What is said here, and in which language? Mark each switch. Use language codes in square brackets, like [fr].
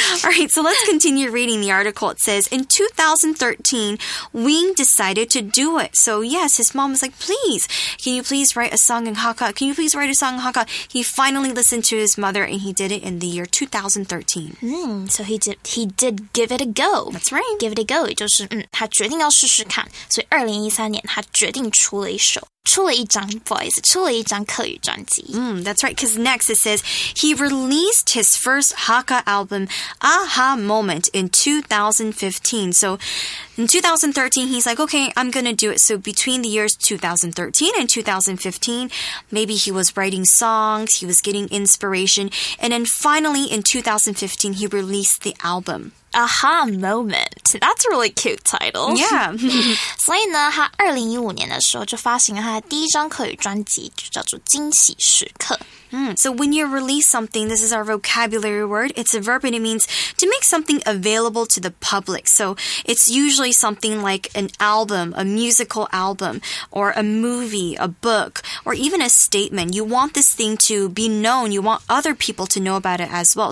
[en] All right, so let's continue reading the article. It says, in 2013, Wing decided to do it. So yes, his mom was like, please, can you please write a song in Hakka? Can you please write a song in Hakka? He finally listened to his mother and he did it in the year 2013. So he did give it a go. That's right. Give it a go. [zh] 就是他决定要试试看。所以2013年他决定出了一首。出了一张 voice, 出了一张客语专辑。 [en] That's right, because next it says, he released his first Hakka album, Aha Moment, in 2015. So in 2013, he's like, okay, I'm going to do it. So between the years 2013 and 2015, maybe he was writing songs, he was getting inspiration, and then finally in 2015, he released the album. Aha Moment. That's a really cute title. Yeah. [zh] 所以呢他2015年的时候就发行了他的第一张口语专辑就叫做惊喜时刻。 [en] So when you release something, this is our vocabulary word, it's a verb and it means to make something available to the public. So it's usually something like an album, a musical album, or a movie, a book, or even a statement. You want this thing to be known, you want other people to know about it as well.